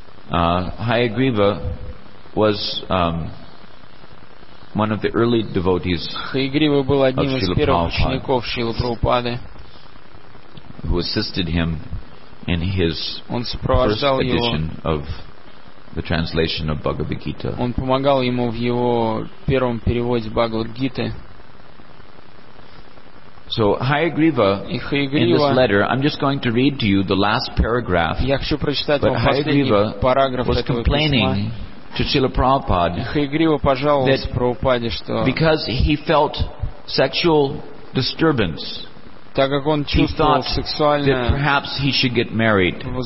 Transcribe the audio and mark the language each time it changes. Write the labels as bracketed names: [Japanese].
[English] Hayagriva was one of the early devotees of Srila Prabhupada, who assisted him in his first edition of the translation of Bhagavad Gita. [Russian] Он помогал ему в его первом переводе Бхагавад-гиты. [English] So Hayagriva, in this letter, I'm just going to read to you the last paragraph, but Hayagriva was complaining to Srila Prabhupada that because he felt sexual disturbance, he thought that perhaps he should get married.